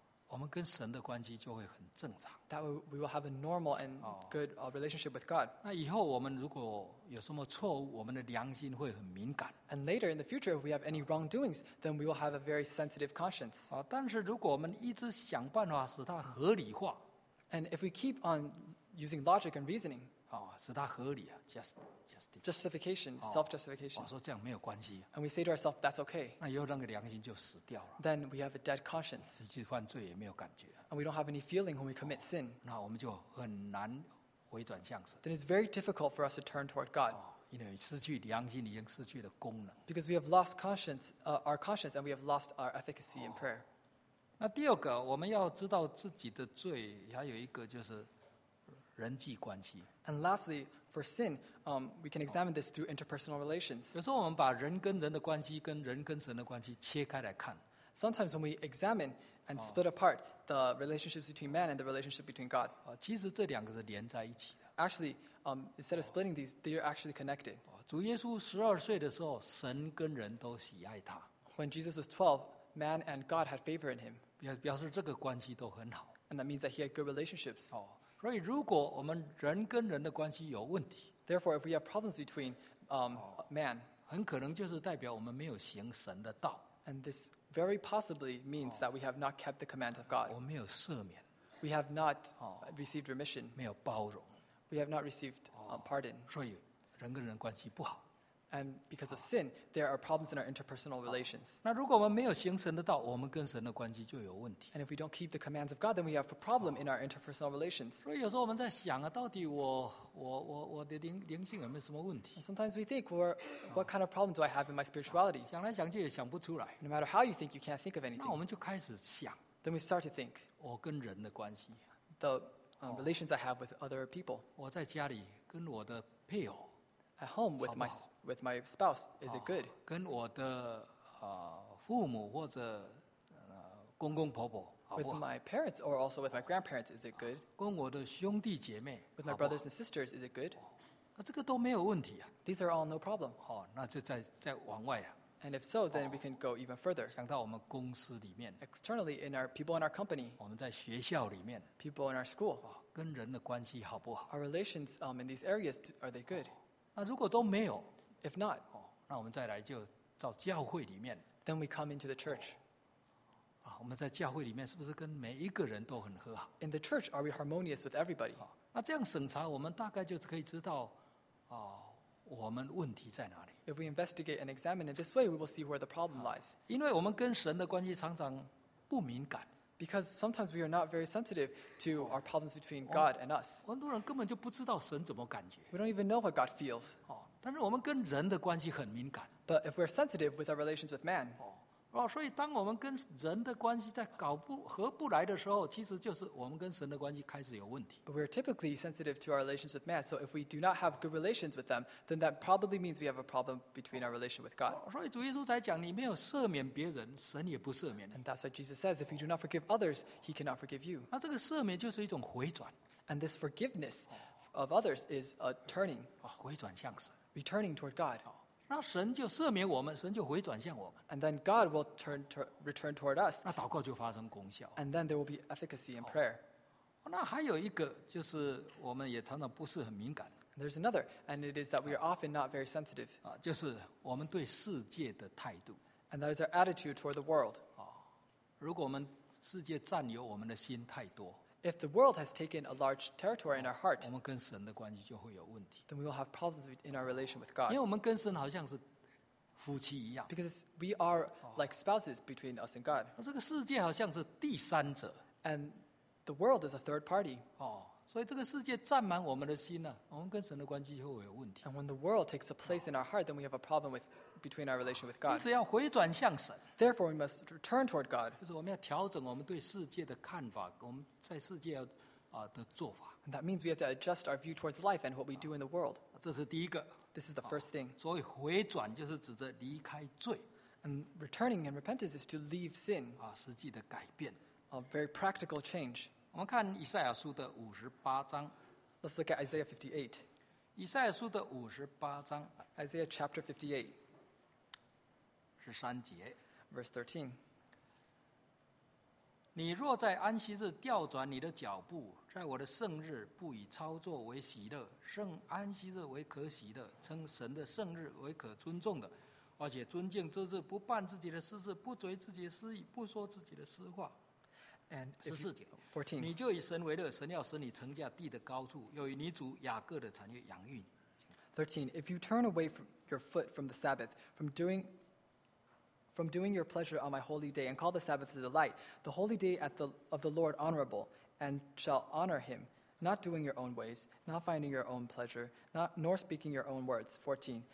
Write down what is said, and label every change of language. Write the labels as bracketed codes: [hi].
[zh] 我们跟神的关系就会很正常。 [en] That we will have a normal and good relationship with God. [zh] 那以后我们如果有什么错误，我们的良心会很敏感。 [en] And later in the future, if we have any wrongdoings, then we will have a very sensitive conscience. [zh] 但是如果我们一直想办法使它合理化 [en] ，And if we keep on using logic and reasoning, [zh] 使它合理啊 ，justification, [en] justification, self-justification. [zh] 说这样没有关系。 [en] And we say to ourselves, that's okay. [zh] 那以后那个良心就死掉了。 [en] Then we have a dead conscience. [zh] 实际犯罪也没有感觉。 [en] And we don't have any feeling when we commit sin. [zh] 那我们就很难回转向神。 [en] Then it's very difficult for us to turn toward God. [zh] 因为失去良心已经失去了功能。 [en] Because we have lost conscience, our conscience, and we have lost our efficacy in prayer. [zh] 那第二个，我们要知道自己的罪，还有一个就是。人际关系。 [en] And lastly, for sin, we can examine this through interpersonal relations. [zh] 有时候我们把人跟人的关系跟人跟神的关系切开来看。 [en] Sometimes when we examine and split apart the relationships between man and the relationship between God. [zh] 其实这两个是连在一起的。 [en] Actually, instead of splitting these, they are actually connected. [zh] 主耶稣十二岁的时候，神跟人都喜爱他。 [en] When Jesus was 12, man and God had favor in him. [zh] 表示这个关系都很好。 [en] And that means that he had good relationships. [zh] 所以，如果我们人跟人的关系有问题 [en] ，Therefore, if we have problems between man, [zh] 很可能就是代表我们没有行神的道。 [en] And this very possibly means that we have not kept the commands of God. [zh] 我没有赦免。 [en] We have not received remission. [zh] 没有包容。 [en] We have not received pardon. [zh] 所以，人跟人关系不好。 [en] And because of sin, there are problems in our interpersonal relations. [zh] 那如果我们没有行神的道，我们跟神的关系就有问题。 [en] And if we don't keep the commands of God, then we have a problem in our interpersonal relations. [zh] 所以有时候我们在想啊，到底我的灵性有没有什么问题 [en] ？And sometimes we think, what kind of problem do I have in my spirituality? [zh] 想来想去也想不出来。 [en] No matter how you think, you can't think of anything. [zh] 那我们就开始想。 [en] Then we start to think. [zh] 我跟人的关系。 [en] The relations I have with other people. [zh] 我在家里跟我的配偶。 [en] At home with my spouse, is it good? [zh] 跟我的父母或者公公婆婆 [en] With my parents or also with my grandparents, is it good? [zh] 跟我的兄弟姐妹 [en] With my brothers and sisters, is it good? [zh] 那这个都没有问题啊 [en] These are all no problem. [zh] 那就再往外啊 [en] And if so, then we can go even further. [zh] 想到我们公司里面 [en] Externally, in our people in our company. [zh] 我们在学校里面 [en] People in our school. [zh] 跟人的关系好不好 [en] Our relations in these areas, are they good? [zh] 那如果都没有 [en] ，If not， [zh] 那我们再来就到教会里面。 [en] Then we come into the church。 [zh] 我们在教会里面是不是跟每一个人都很和好 [en] ？In the church, are we harmonious with everybody？ [zh] 那这样审查，我们大概就可以知道，我们问题在哪里 [en] ？If we investigate and examine it this way, we will see where the problem lies。 [zh] 因为我们跟神的关系常常不敏感。 [en] Because sometimes we are not very sensitive to our problems between God and us. [zh] 很多人根本就不知道神怎么感觉。 [en] We don't even know what God feels. [zh] 但是我们跟人的关系很敏感。 [en] But if we're sensitive with our relations with man. [zh] 所以当我们跟人的关系在搞不合不来的时候，其实就是我们跟神的关系开始有问题。 [en] But we're typically sensitive to our relations with man. So if we do not have good relations with them, then that probably means we have a problem between our relation with God. [zh] 所以主耶稣才讲，你没有赦免别人，神也不赦免。 [en] And that's why Jesus says, if you do not forgive others, he cannot forgive you. [zh] 那这个赦免就是一种回转。 [en] And this forgiveness of others is a turning. [zh] 回转向神。 [en] Returning toward God. [zh] 那神就赦免我们，神就回转向我们。 [en] And then God will return toward us. [zh] 那祷告就发生功效。 [en] And then there will be efficacy in prayer. [zh] 那还有一个就是我们也常常不是很敏感。 [en] There's another, and it is that we are often not very sensitive. [zh] 就是我们对世界的态度。 [en] And that is our attitude toward the world. [zh] 如果我们世界占有我们的心太多。 [en] If the world has taken a large territory in our heart, [zh] 我们跟神的关系就会有问题。 [en] Then we will have problems in our relation with God. [zh] 因为我们跟神好像是夫妻一样。 [en] Because we are like spouses between us and God. [zh] 这个世界好像是第三者。 [en] And the world is a third party. [zh] 哦，所以这个世界占满我们的心呢，我们跟神的关系就会有问题。 [en] And when the world takes a place in our heart, then we have a problem with between our relation with God. [zh] 因此要回转向神。 [en] Therefore, we must return toward God. [zh] 就是我们要调整我们对世界的看法，我们在世界要。 [en] And that means we have to adjust our view towards life and what we do in the world. [zh] 这是第一个。 [en] This is the first thing. [zh] 所以回转就是指着离开罪。 [en] And returning and repentance is to leave sin. [zh] 实际的改变。 [en] A very practical change. [zh] 我们看以赛亚书的五十八章。 [en] Let's look at Isaiah 58. [zh] 以赛亚书的五十八章。 [en] Isaiah chapter 58. [zh] 十三节。 [en] Verse 13. [zh] 你若在安息日调转你的脚步，在我的圣日不以操作为喜乐，圣安息日为可喜的，称神的圣日为可尊重的，而且尊敬之日，不办自己的私事，不随自己的私意，不说自己的私话。 [en] And [zh] 14节 [en] 14. [zh] 你就以神为乐，神要使你成家地的高处，又以你主雅各的产业养育你。 [en] 13. If you turn away from your foot from the Sabbath, from doing your pleasure on my holy day and call the Sabbath a delight, the holy day of the Lord honorable, and shall honor him, not doing your own ways, not finding your own pleasure, nor speaking your own words. 14.